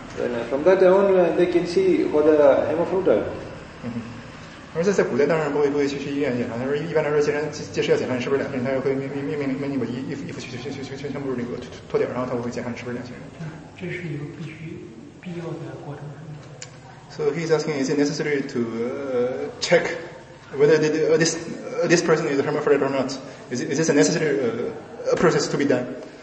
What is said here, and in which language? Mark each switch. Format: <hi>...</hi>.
<en>Then from that on they can see whether hermaphrodite. Mm-hmm.</en> <zh>而在古代当然不会去医院检查，但是一般来说既是要检查你是不是两性，他也会命令你把衣服全部那个脱掉，然后他会检查你是不是两性人。这是一个必要的过程。</zh> <en>So he's asking, is it necessary to check whether this person is hermaphrodite or not? Is this a necessary process to be done?</en>